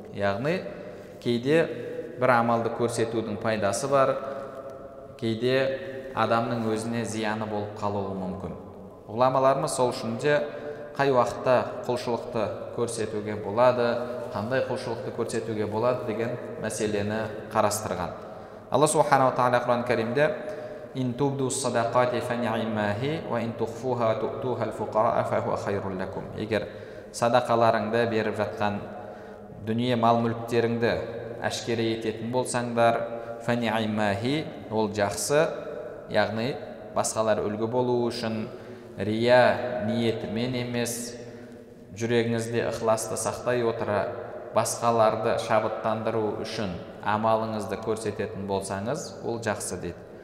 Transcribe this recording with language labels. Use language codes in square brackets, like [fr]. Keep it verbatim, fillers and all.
[kk] Яғни, кейде бір амалды көрсетудің пайдасы бар, кейде адамның өзіне зияны болып қалуы мүмкін. Ғұламаларымыз сол үшін де қай уақытта құлшылықты көрсетуге болады, қандай құлшылықты көрсетуге болады деген мәселені қарастырған. Алла Субханала тағала Құран-Кәрімде [ar] إن تبدوا الصدقات فنعما هي وإن تخفوها وتؤتوها الفقراء فهو خير لكم. [kk] Егер садақаларыңды беріп жатқан дүние мал мүліктеріңді әшкере ететін болсаңдар, фанайма хи, ол жақсы, яғни басқалар үлгі болуы үшін рия ниетімен емес, жүрегіңізде ықыласты сақтай отыра басқаларды шабыттандыру үшін амалыңызды көрсететін болсаңыз, ол жақсы деді.